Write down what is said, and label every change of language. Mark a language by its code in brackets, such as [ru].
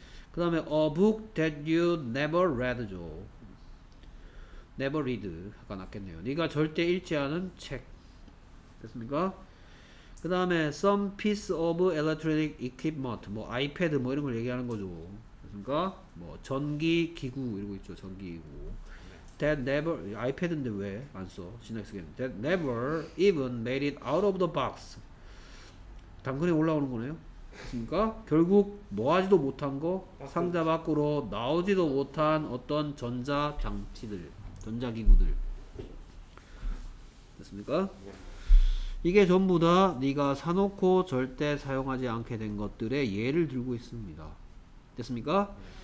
[ko] 그 다음에 [en] a book that you never read죠. never read [ko] 아까 났겠네요. 네가 절대 읽지 않은 책. 됐습니까? 그 다음에 [en] some piece of electronic equipment, [ko] 뭐 아이패드 뭐 이런 걸 얘기하는 거죠. 그니까 뭐 전기 기구 이러고 있죠. 전기 기구. [en] That never, [ko] 아이패드인데 왜 안 써? 신나게 쓰겠네. [en] That never even made it out of the box. [ko] 당근에 올라오는 거네요. 그니까 결국 뭐하지도 못한 거, 상자 밖으로 나오지도 못한 어떤 전자 장치들, 전자 기구들. 됐습니까? 이게 전부 다 네가 사놓고 절대 사용하지 않게 된 것들의 예를 들고 있습니다. 됐습니까?